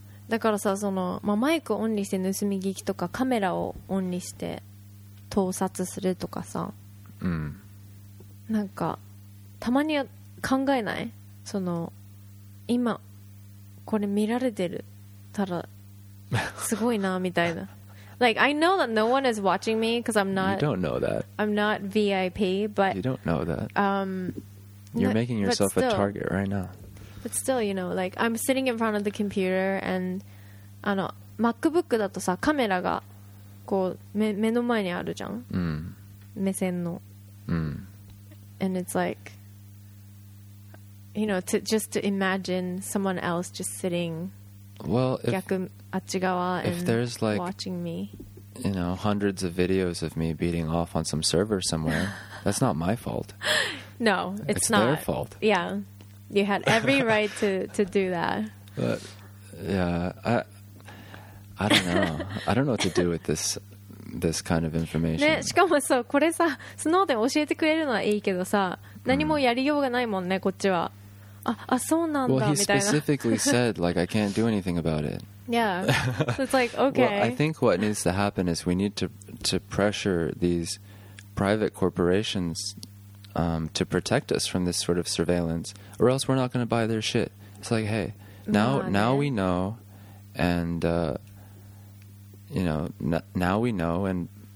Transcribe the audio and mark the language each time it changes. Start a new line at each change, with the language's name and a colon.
Japanese: だからさ、その、まあ、マイクオンにして盗み聞きとか、カメラをオンにして盗撮するとかさ、うん、なんかたまには考えない？その今これ見られてるたらすごいなみたいな。
English: Like I know that no one is watching me because I'm not. You don't know that. I'm not VIP, but you don't know that. You're making yourself still, a target right now. But still, you know, like, I'm sitting in front of the computer and, あの、MacBook だとさ、カメラが、こう、目の前にあるじゃん。
Japanese: うん。目線の。うん。
English: And it's like, you know, to, just to imagine someone else just sitting, well, if,
Japanese: 逆、あっち側 and
English: if there's like, watching me. You know, hundreds of videos of me beating off on some server somewhere, that's not my fault. No, it's not. It's their fault. Yeah. You had every right to do that. But, yeah, I don't know. I don't know what to do with this kind of information.
Japanese: ね、しかもそう、これさ、スノーデン教えてくれるのはいいけどさ、何もやりようがないもんね、こっちは。あ、そうなんだ、みたいな。
English: Well, he specifically said, like, I can't do anything about it. Yeah. So it's like, okay. Well, I think what needs to happen is we need to pressure these private corporations... to protect us from this sort of surveillance, or else we're not going to buy their shit. It's like, hey, now we know, and you know, now we know, and